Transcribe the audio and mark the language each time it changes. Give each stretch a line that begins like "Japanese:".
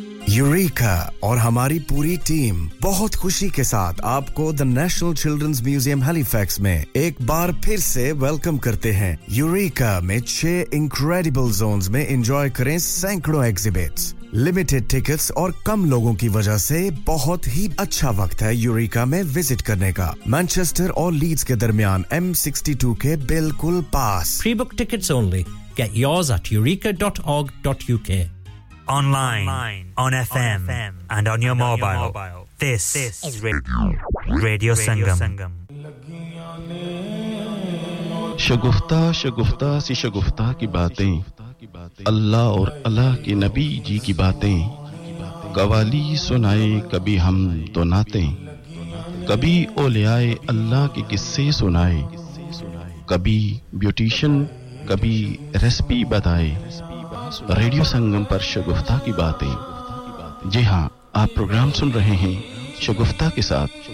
Hindi: Eureka और हमारी पूरी टीम बहुत खुशी के साथ आपको the national children's museum Halifax में एक बार फिर से वेलकम करते हैं यूरेका में 6 इनक्रेडिबल जोन्स में एंजॉय करें सैकड़ों एग्जिबिट्स लिमिटेड टिकट्स और कम लोगों की वजह से बहुत ही अच्छा वक्त है यूरेका में विजिट करने का मैनचेस्टर और लीड्स के दरमियान M62 के बिल्कुल पास
English: Pre book tickets only get yours at eureka.org.uk Online, on FM, and on your mobile. This is Radio Sangam.
Hindi: Shagufta, Shagufta, si Shagufta ki baatein. Allah aur Allah ke Nabi ji ki baatein. Qawali sunaye kabhi hum to naatein. Kabhi auliyae Allah ke kisse sunaye. Kabhi beautician, kabhi recipe bataye. Radio संगम पर शगुफ्ता की बातें जी हां आप programme सुन रहे हैं शगुफ्ता के साथ